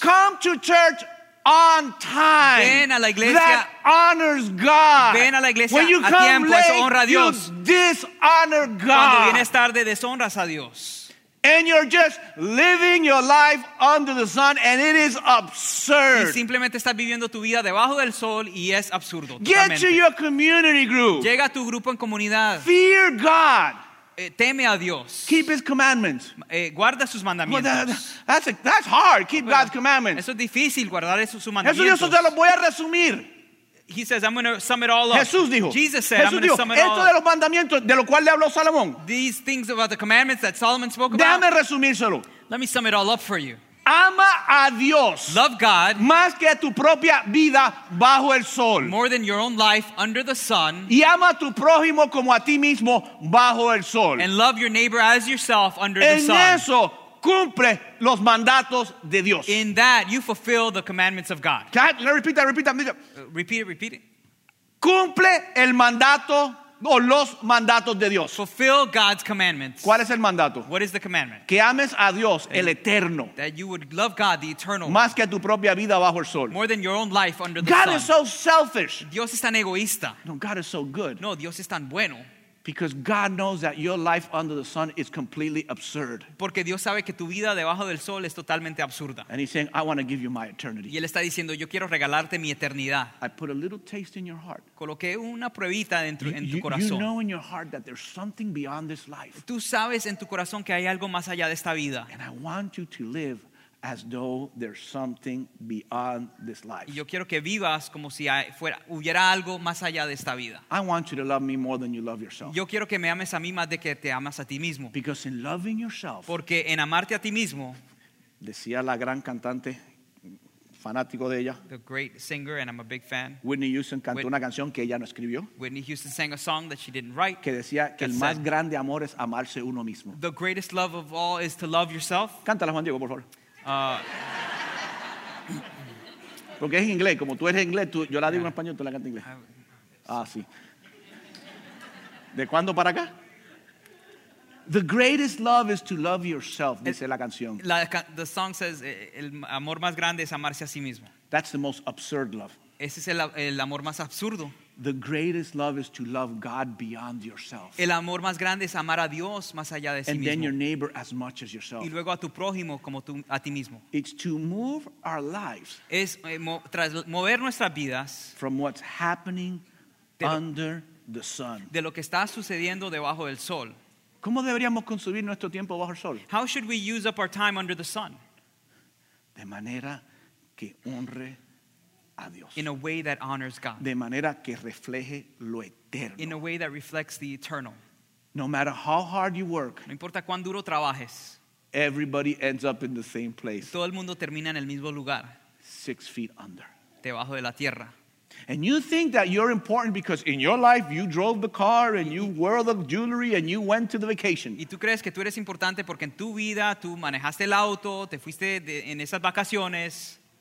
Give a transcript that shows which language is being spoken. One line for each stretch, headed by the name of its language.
English: Come to church on time.
Spanish: Ven a la iglesia.
English: That honors God.
Spanish: Ven a la iglesia.
English: When you come
Spanish: a tiempo,
English: late,
Spanish: eso honra a Dios.
English: You dishonor God.
Spanish: Cuando vienes tarde, deshonras a Dios.
English: And you're just living your life under the sun, and it is absurd.
Spanish: Y simplemente estás viviendo tu vida debajo del sol, y es absurdo.
English: Get
Spanish: totalmente.
English: To your community group.
Spanish: Llega a tu grupo en comunidad.
English: Fear God.
Spanish: Teme a Dios.
English: Keep his commandments.
Spanish: Guarda sus mandamientos.
English: That's hard. Keep God's commandments.
Spanish: Eso es difícil, guardar sus mandamientos. Eso yo solo te lo voy a resumir.
English: He says, I'm going to sum it all up.
Spanish: Jesús dijo,
English: Jesus said,
Spanish: Jesús
English: I'm going to sum it all up.
Spanish: Esto de los mandamientos de lo cual le habló Salomón.
English: These things about the commandments that Solomon spoke
Spanish: déjame
English: about.
Spanish: Resumírselo.
English: Let me sum it all up for you.
Spanish: ama a Dios,
English: love God,
Spanish: más que tu propia vida bajo el sol,
English: more than your own life under the sun,
Spanish: y ama a tu prójimo como a ti mismo bajo el sol,
English: and love your neighbor as yourself under
Spanish: en
English: the sun.
Spanish: Eso, cumple los mandatos de Dios.
English: In that, you fulfill the commandments of God. Can I repeat that? Repeat that. Repeat it.
Spanish: Cumple el mandato o los mandatos de Dios.
English: Fulfill God's commandments.
Spanish: ¿Cuál es el mandato?
English: What is the commandment?
Spanish: Que ames a Dios, el eterno.
English: That you would love God, the eternal.
Spanish: Más que tu propia vida bajo el sol.
English: More than your own life under the God God is so selfish.
Spanish: Dios es tan egoísta.
English: No, God is so good.
Spanish: No, Dios es tan bueno.
English: Because God knows that your life under the sun is completely absurd.
Spanish: Porque Dios sabe que tu vida debajo del sol es totalmente absurda.
English: And he's saying, I want to give you my eternity.
Spanish: Y él está diciendo, yo quiero regalarte mi eternidad.
English: I put a little taste in your heart.
Spanish: Coloqué una pruebita dentro en tu corazón.
English: You know in your heart that there's something beyond this life.
Spanish: Tú sabes en tu corazón que hay algo más allá de esta vida.
English: And I want you to live as though there's something beyond this life.
Spanish: Yo quiero que vivas como si hubiera algo más allá de esta vida.
English: I want you to love me more than you love yourself.
Spanish: Yo quiero que me ames a mí más de que te amas a ti mismo.
English: Because in loving yourself.
Spanish: Porque en amarte a ti mismo. Decía la gran cantante, fanático de ella.
English: The great singer, and I'm a big fan.
Spanish: Whitney Houston cantó una canción que ella no escribió.
English: Whitney Houston sang a song that she didn't write.
Spanish: Que decía que el más grande amor es amarse uno mismo.
English: The greatest love of all is to love yourself.
Spanish: Cántala, Juan Diego, por favor. Porque es inglés, como tú eres inglés, tú, yo la digo en español, tú la cantas en inglés. Ah, sí. ¿De cuándo para acá?
English: The greatest love is to love yourself,
Spanish: dice la canción.
English: The song says,
Spanish: el amor más grande es amarse a sí mismo.
English: That's the most absurd love.
Spanish: Ese es el amor más absurdo.
English: The greatest love is to love God beyond yourself.
Spanish: El amor más grande es amar a Dios más allá de sí mismo.
English: And then your neighbor as much as yourself.
Spanish: Y luego a tu prójimo como tú a ti mismo.
English: It's to move our lives.
Spanish: Es mover nuestras vidas.
English: From what's happening under the sun.
Spanish: De lo que está sucediendo debajo del sol. ¿Cómo deberíamos consumir nuestro tiempo bajo el sol?
English: How should we use up our time under the sun?
Spanish: De manera que honre a Dios.
English: In a way that honors God.
Spanish: De manera que refleje lo eterno.
English: In a way that reflects the eternal. No matter how hard you work.
Spanish: No importa cuán duro trabajes.
English: Everybody ends up in the same place.
Spanish: Todo el mundo termina en el mismo lugar.
English: 6 feet under.
Spanish: Debajo de la tierra.
English: And you think that you're important because in your life you drove the car and you wore the jewelry and you went to the vacation.
Spanish: Y tú crees que tú eres importante porque en tu vida tú manejaste el auto, te fuiste en esas vacaciones.